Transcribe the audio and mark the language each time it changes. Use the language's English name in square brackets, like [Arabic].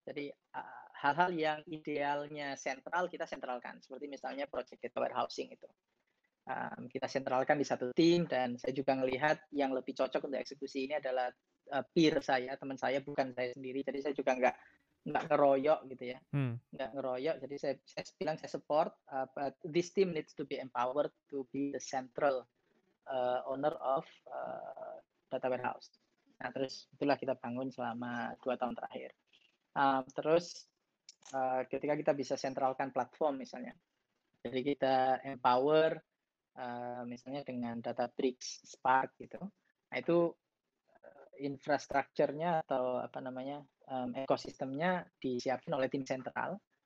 [Indonesian] Jadi hal-hal yang idealnya sentral kita sentralkan. Seperti misalnya project data warehousing itu. Kita sentralkan di satu tim dan saya juga melihat yang lebih cocok untuk eksekusi ini adalah peer saya, teman saya, bukan saya sendiri. Jadi saya juga enggak ngeroyok gitu ya. Enggak ngeroyok. Jadi saya bilang saya support [English] but this team needs to be empowered to be the central owner of data warehouse. [Indonesian] Nah, terus itulah kita bangun selama 2 tahun terakhir. Terus ketika kita bisa sentralkan platform misalnya. Jadi kita empower misalnya dengan Databricks, Spark gitu. Nah, itu infrastrukturnya atau apa namanya ekosistemnya disiapin oleh tim sentral.